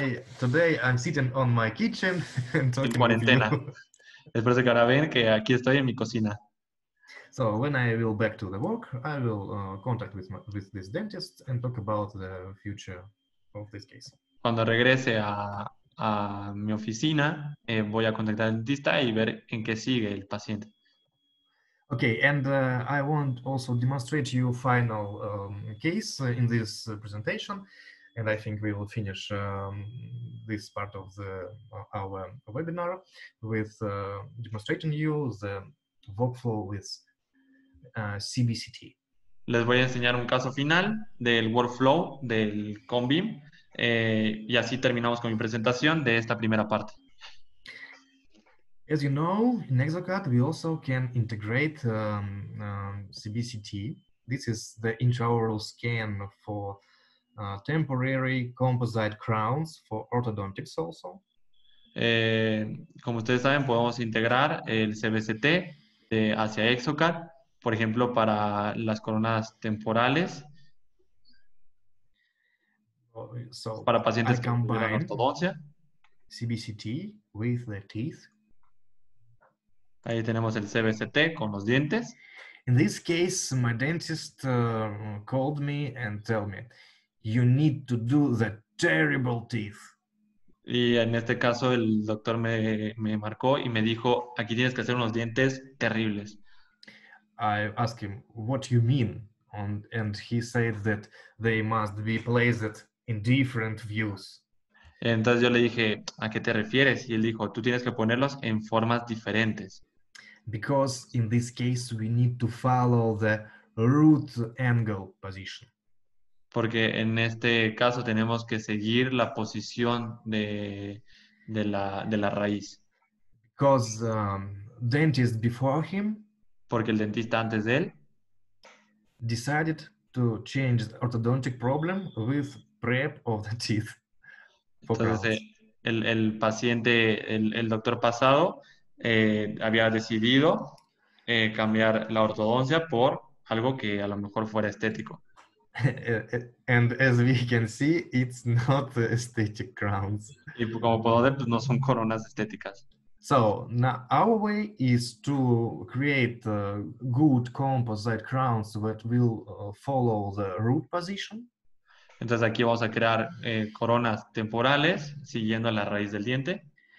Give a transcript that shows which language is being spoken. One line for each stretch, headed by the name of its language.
English: That's why today I'm sitting on my kitchen and talking
Spanish: en cuarentena. Es por eso que ahora ven que aquí estoy en mi cocina.
English: So when I will back to the work, I will contact with this dentist and talk about the future of this case.
Spanish: Cuando regrese a mi oficina, voy a contactar al dentista y ver en qué sigue el paciente.
English: Okay, and I want also demonstrate you final case in this presentation, and I think we will finish this part of the our webinar with demonstrating you the workflow with CBCT.
Spanish: Les voy a enseñar un caso final del workflow del CONBIM y así terminamos con mi presentación de esta primera parte.
English: As you know, in Exocad we also can integrate CBCT. This is the intraoral scan for temporary composite crowns for orthodontics also.
Spanish: Como ustedes saben, podemos integrar el CBCT hacia Exocad. Por ejemplo, para las coronas temporales. So para pacientes con ortodoncia.
English: CBCT with the teeth.
Spanish: Ahí tenemos el CBCT con los dientes.
English: In this case, my dentist called me and told me, you need to do the terrible teeth.
Spanish: Y en este caso, el doctor me marcó y me dijo, aquí tienes que hacer unos dientes terribles.
English: I asked him, what you mean? And he said that they must be placed in different views.
Spanish: Entonces yo le dije, ¿a qué te refieres? Y él dijo, tú tienes que ponerlos en formas diferentes.
English: Because in this case, we need to follow the root angle position.
Spanish: Porque en este caso tenemos que seguir la posición de la raíz.
English: Because dentist before him,
Spanish: porque el dentista antes de él,
English: decided to change the orthodontic problem with prep of the teeth.
Spanish: Entonces el paciente, el doctor pasado había decidido cambiar la ortodoncia por algo que a lo mejor fuera estético.
English: And as we can see, it's not aesthetic crowns.
Spanish: Y como puedo ver, pues no son coronas estéticas.
English: So now our way is to create good composite crowns that will follow the root position.
Spanish: Entonces aquí vamos a crear coronas temporales siguiendo la raíz del diente.